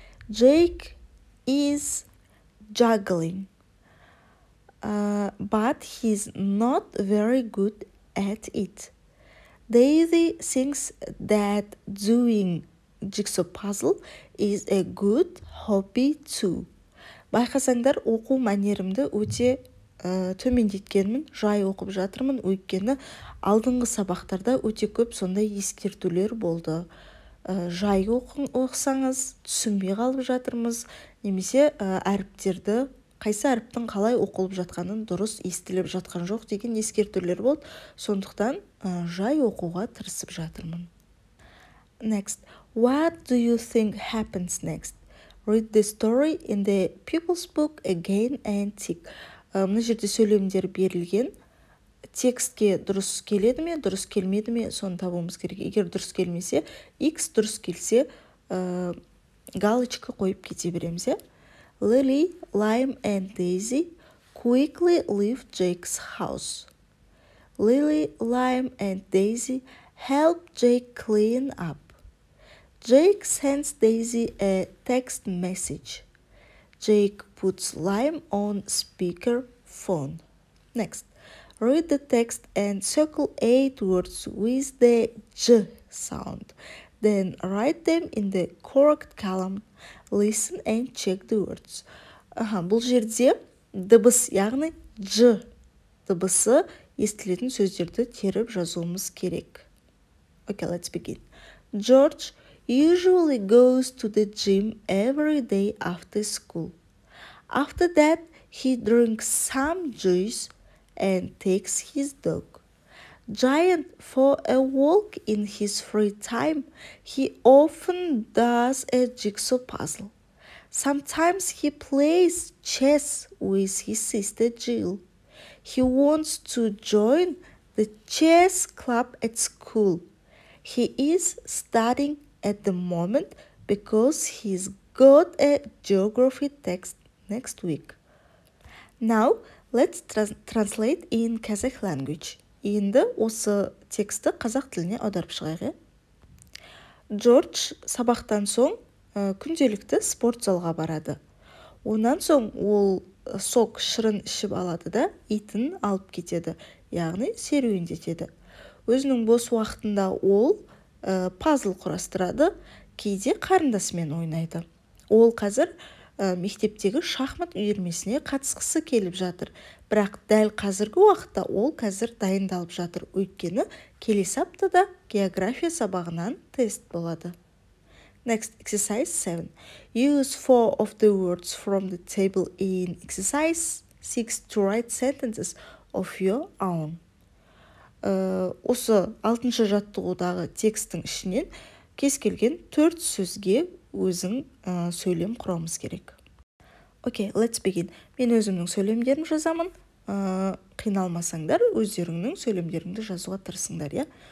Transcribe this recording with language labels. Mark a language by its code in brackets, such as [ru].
[en] Jake is juggling, but he's not very good at it. Daisy thinks that doing jigsaw puzzle is a good hobby too. [kk] Байқасаңдар, оқу мәнерімді өте төмендеткенмін, жай оқып жатырмын, өйткені алдыңғы сабақтарда өте көп сондай ескертулер болды. Жай оқысаңыз, түсінбей қалып жатырмыз, немесе әріптерді, қайсы әріптің қалай оқылып жатқанын дұрыс естіліп жатқан жоқ деген ескертулер болды, сондықтан жай оқуға тырысып жатырмын. [en] Next, what do you think happens next? Read the story in the people's book again and tick. [kk] Мына жерде сөйлемдер берілген. Текстке дұрыс келеді ме, дұрыс келмеді ме, соны табуымыз керек. Егер дұрыс келмесе, X дұрыс келсе, галочка қойып кете береміз. [en] Lily, Lime and Daisy quickly leave Jake's house. Lily, Lime and Daisy help Jake clean up. Jake sends Daisy a text message. Jake puts Lime on speaker phone. Next, read the text and circle 8 words with the J sound. Then write them in the correct column. Listen and check the words. [kk] Бұл жерде дыбыс, яғни J дыбысы естілетін сөздерді теріп жазуымыз керек. [en] Okay, let's begin. George usually goes to the gym every day after school. After that, he drinks some juice and takes his dog. Giant for a walk in his free time, he often does a jigsaw puzzle. Sometimes he plays chess with his sister Jill. He wants to join the chess club at school. He is studying at the moment because he's got a geography text next week. Now, let's translate in Kazakh language. [kk] Енді осы тексті қазақ тіліне аударып шығайық. Джордж сабақтан соң күнделікті спорт залға барады. Онан соң ол сок шырын ішіп алады да итін алып кетеді, яғни серуендетеді. Өзінің бос уақытында ол пазл құрастырады, кейде қарындасымен ойнайды. Ол қазір мектептегі шахмат үйірмесіне қатысқысы келіп жатыр, бірақ дәл қазіргі уақытта ол қазір дайындалып жатыр, өйткені келесі аптада география сабағынан тест болады. [en] Next, exercise 7. Use 4 of the words from the table in exercise 6 to write sentences of your own. [kk] Осы 6-шы жаттығудағы текстің ішінен кез келген 4 сөзге өзің сөйлем құрауымыз керек. [en] Okay, let's begin. [kk] Мен өзімнің сөйлемдерім жазамын. қиналмасаңдар, өздеріңнің сөйлемдеріңді жазуға тырысыңдар, иә?